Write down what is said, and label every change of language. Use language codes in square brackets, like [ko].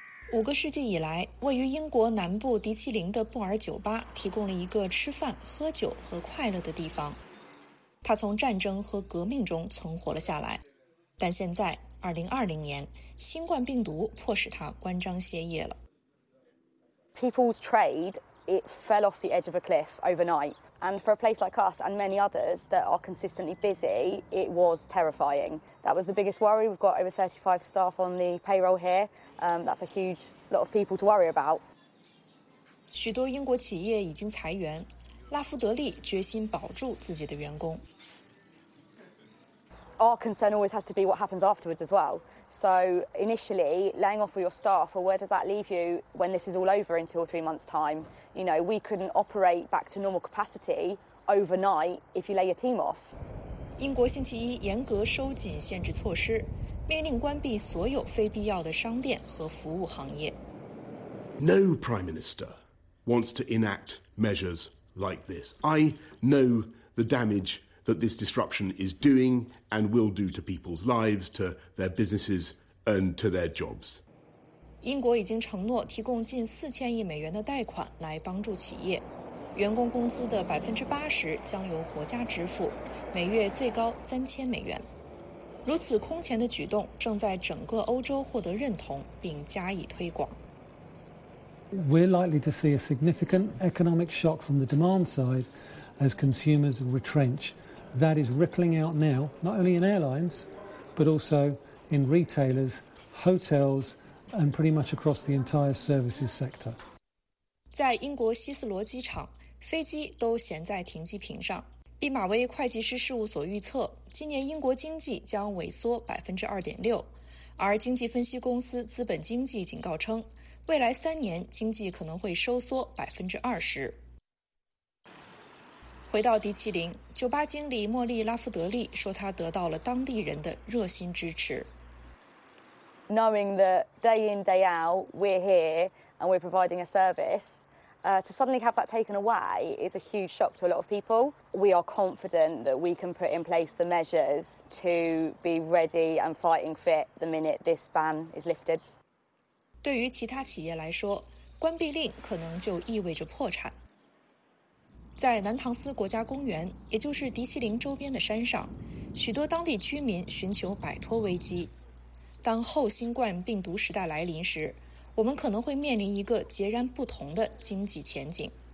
[zh] 五个世纪以来，位于英国南部迪奇林的布尔酒吧提供了一个吃饭、喝酒和快乐的地方。它从战争和革命中存活了下来，但现在2020年新冠病毒迫使它关张歇业了。 [en] People's trade, it fell off the edge of a cliff overnight. And for a place like us and many others that are consistently busy, it was terrifying. That was the biggest worry. We've got over 35 staff on the payroll here. That's a huge lot of people to worry about. [zh] 许多英国企业已经裁员，拉夫德利决心保住自己的员工。 [en] Our concern always has to be what happens afterwards as well. So initially, laying off all your staff, well, where does that leave you when this is all over in 2 or 3 months' time? You know, we couldn't operate back to normal capacity overnight if you lay your team off. [zh] 英国星期一严格收紧限制措施，命令关闭所有非必要的商店和服务行业。 [en] No prime minister wants to enact measures like this. I know the damage. That this disruption is doing and will do to people's lives, to their businesses, and to their jobs. [zh] 英国已经承诺提供近$4,000亿的贷款来帮助企业，员工工资的80%将由国家支付，每月最高$3,000。如此空前的举动正在整个欧洲获得认同并加以推广。 [en] We're likely to see a significant economic shock from the demand side as consumers retrench. That is rippling out now, not only in airlines, but also in retailers, hotels, and pretty much across the entire services sector. [zh] 在英国希斯罗机场，飞机都闲在停机坪上。毕马威会计师事务所预测，今年英国经济将萎缩2.6%。而经济分析公司资本经济警告称，未来3年经济可能会收缩20%。回到迪奇林，酒吧经理莫莉·拉夫德利说，他得到了当地人的热心支持。 [en] Knowing that day in day out we're here and we're providing a service, to suddenly have that taken away is a huge shock to a lot of people. We are confident that we can put in place the measures to be ready and fighting fit the minute this ban is lifted. [zh] 对于其他企业来说，关闭令可能就意味着破产。在南唐斯国家公园，也就是迪奇林周边的山上，许多当地居民寻求摆脱危机。当后新冠病毒时代来临时，我们可能会面临一个截然不同的经济前景。